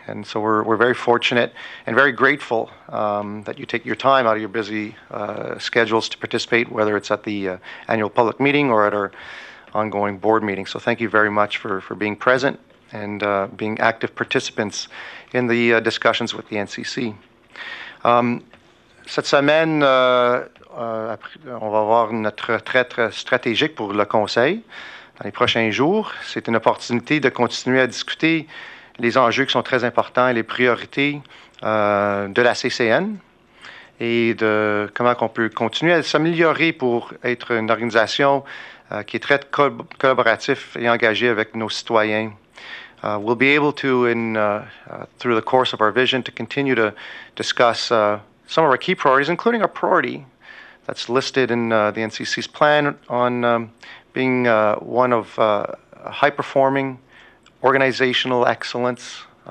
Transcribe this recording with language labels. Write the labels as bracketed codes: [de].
[en] And so we're very fortunate and very grateful that you take your time out of your busy schedules to participate, whether it's at the annual public meeting or at our ongoing board meeting. So thank you very much for being present and being active participants in the discussions with the NCC. [fr] Cette semaine, on va avoir notre retraite stratégique pour le Conseil. dans les prochains jours. C'est une opportunité de continuer à discuter les enjeux qui sont très importants et les priorités de la CCN et de comment on peut continuer à s'améliorer pour être une organisation qui est très collaborative et engagée avec nos citoyens. [en] We'll be able to, through the course of our vision, to continue to discuss some of our key priorities, including our priority that's listed in the NCC's plan on being one of high-performing organizational excellence.